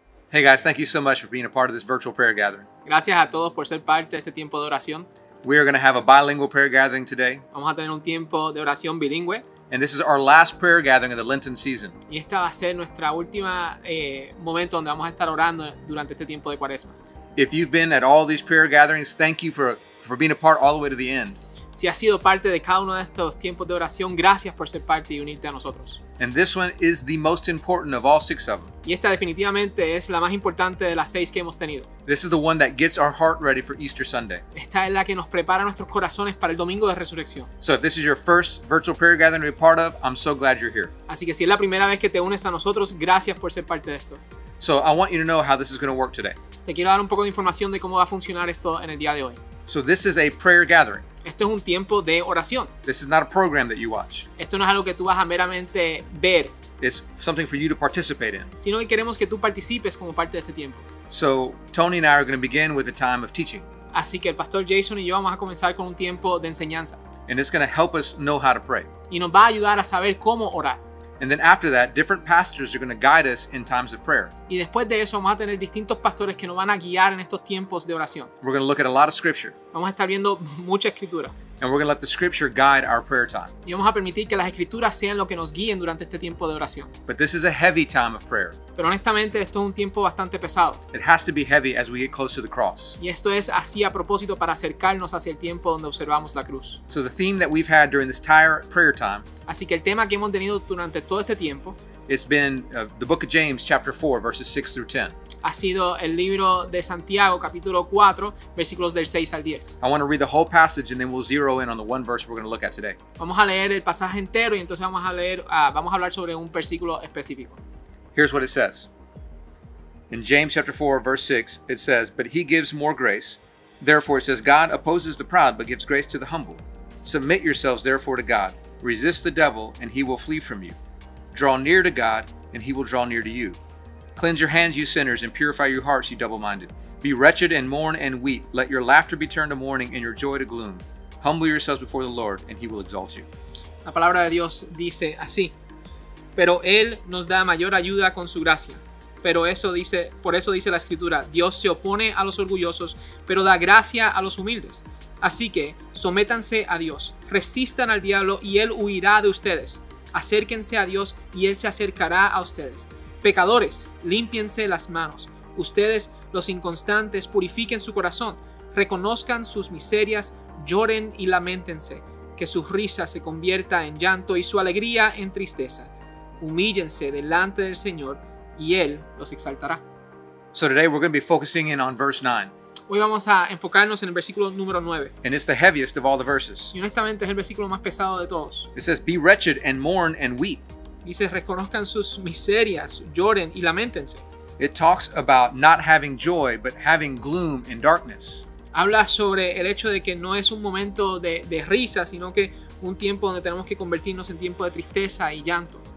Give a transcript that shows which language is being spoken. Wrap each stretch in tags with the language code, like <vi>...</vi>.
<en>Hey guys, thank you so much for being a part of this virtual prayer gathering.</en> <es>Gracias a todos por ser parte de este tiempo de oración.</es> <en>We are going to have a bilingual prayer gathering today.</en> <es>Vamos a tener un tiempo de oración bilingüe.</es> <en>And this is our last prayer gathering of the Lenten season.</en> <es>Y esta va a ser nuestra última momento donde vamos a estar orando durante este tiempo de Cuaresma.</es> <en>If you've been at all these prayer gatherings, thank you for being a part all the way to the end.</en> <es>Si has sido parte de cada uno de estos tiempos de oración, gracias por ser parte y unirte a nosotros.</es> <en>And this one is the most important of all six of them.</en> <es>Y esta definitivamente es la más importante de las seis que hemos tenido.</es> <en>This is the one that gets our heart ready for Easter Sunday.</en> <es>Esta es la que nos prepara nuestros corazones para el domingo de resurrección.</es> <en>So if this is your first virtual prayer gathering to be part of, I'm so glad you're here.</en> <es>Así que si es la primera vez que te unes a nosotros, gracias por ser parte de esto.</es> <en>So I want you to know how this is going to work today.</en> <es>Te quiero dar un poco de información de cómo va a funcionar esto en el día de hoy.</es> <en>So this is a prayer gathering.</en> <es>Esto es un tiempo de oración.</es> <en>This is not a program that you watch.</en> <es>Esto no es algo que tú vas a meramente ver.</es> <en>It's something for you to participate in.</en> <es>Sino que queremos que tú participes como parte de este tiempo.</es> <en>So Tony and I are going to begin with a time of teaching.</en> <es>Así que el pastor Jason y yo vamos a comenzar con un tiempo de enseñanza.</es> <en>And it's going to help us know how to pray.</en> <es>Y nos va a ayudar a saber cómo orar.</es> <en>And then after that, different pastors are going to guide us in times of prayer.</en> <es>Y después de eso, vamos a tener distintos pastores que nos van a guiar en estos tiempos de oración.</es> <en>We're going to look at a lot of scripture.</en> <es>Vamos a estar viendo mucha escritura.</es> <en>And we're going to let the scripture guide our prayer time.</en> <es>Y vamos a permitir que las escrituras sean lo que nos guíen durante este tiempo de oración.</es> <en>But this is a heavy time of prayer.</en> <es>Pero honestamente, esto es un tiempo bastante pesado.</es> <en>It has to be heavy as we get close to the cross.</en> <es>Y esto es así a propósito para acercarnos hacia el tiempo donde observamos la cruz.</es> <en>So the theme that we've had during this entire prayer time.</en> <es>Así que el tema que hemos tenido durante todo este tiempo.</es> <en>It's been the book of James, chapter 4, verses 6 through 10.</en> <es>Ha sido el libro de Santiago, capítulo 4, versículos del 6 al 10.</es> <en>I want to read the whole passage and then we'll zero in on the one verse we're going to look at today.</en> <es>Vamos a leer el pasaje entero y entonces vamos a leer, vamos a hablar sobre un versículo específico.</es> <en>Here's what it says. In James chapter 4, verse 6, it says, "But he gives more grace. Therefore, it says, God opposes the proud, but gives grace to the humble. Submit yourselves, therefore, to God. Resist the devil, and he will flee from you. Draw near to God, and he will draw near to you. Cleanse your hands, you sinners, and purify your hearts, you double-minded. Be wretched and mourn and weep. Let your laughter be turned to mourning and your joy to gloom. Humble yourselves before the Lord, and he will exalt you."</en> <es>La palabra de Dios dice así. Pero él nos da mayor ayuda con su gracia. Pero eso dice, por eso dice la escritura, Dios se opone a los orgullosos, pero da gracia a los humildes. Así que, sométanse a Dios, resistan al diablo y él huirá de ustedes. Acérquense a Dios y él se acercará a ustedes. Pecadores, límpiense las manos. Ustedes, los inconstantes, purifiquen su corazón. Reconozcan sus miserias, lloren y lamentense. Que su risa se convierta en llanto y su alegría en tristeza. Humíllense delante del Señor y él los exaltará.</es> <en>So today we're going to be focusing in on verse 9.</en> <es>Hoy vamos a enfocarnos en el versículo número 9.</es> <en>And it's the heaviest of all the verses.</en> <es>Y honestamente es el versículo más pesado de todos.</es> <en>It says, "Be wretched and mourn and weep."</en> <es>Dice, reconozcan sus miserias, lloren y lamentense.</es> <en>It talks about not having joy, but having gloom and darkness.</en> <es>Habla sobre el hecho de que no es un momento de risa, sino que un tiempo donde tenemos que convertirnos en tiempo de tristeza y llanto.</es>